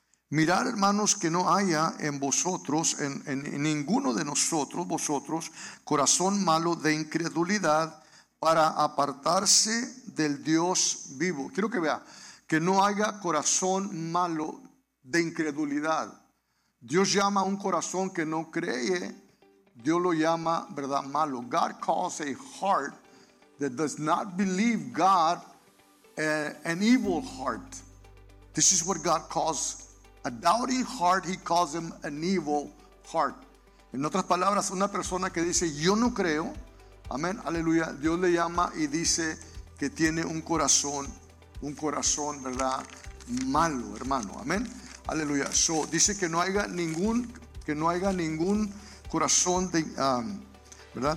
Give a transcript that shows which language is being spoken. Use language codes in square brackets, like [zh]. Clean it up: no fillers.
[es] Mirad, hermanos, que no haya en vosotros, en ninguno de nosotros, vosotros, corazón malo de incredulidad para apartarse del Dios vivo. Quiero que vea, que no haya corazón malo de incredulidad. Dios llama a un corazón que no cree, Dios lo llama, ¿verdad?, malo. [en] God calls a heart that does not believe God an evil heart. This is what God calls a doubting heart, he calls him an evil heart. [es] En otras palabras, una persona que dice, yo no creo, amén, aleluya, Dios le llama y dice que tiene un corazón, ¿verdad?, malo, hermano, amén, aleluya. So, dice que no haya ningún corazón de, ¿verdad?